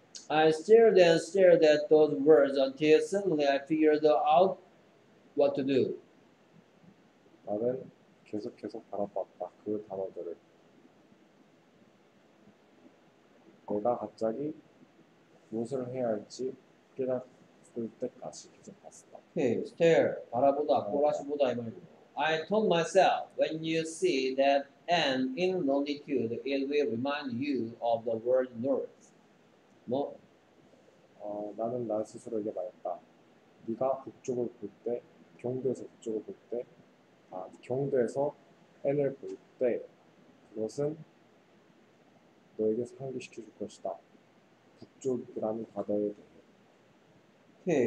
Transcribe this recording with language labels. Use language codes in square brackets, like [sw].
[en] I stared and stared at those words until suddenly I figured out what to do. [ko] 나는 계속해서 바라봤다. 그 단어들을. 내가 갑자기 무엇을 해야 할지 깨닫을 때까지 계속 봤다. Hey, stare, 바라보다, 꼬라시보다 이 말이죠. [en] I told myself, when you see that end in longitude, it will remind you of the word north. [ko] 뭐? 나는 나 스스로에게 말했다. 네가 북쪽을 볼 때, 경도에서 북쪽을 볼 때, 경도에서 N을 볼 때, 그것은 너에게서 상기시켜줄 것이다. 북쪽이라는 바다에 대해.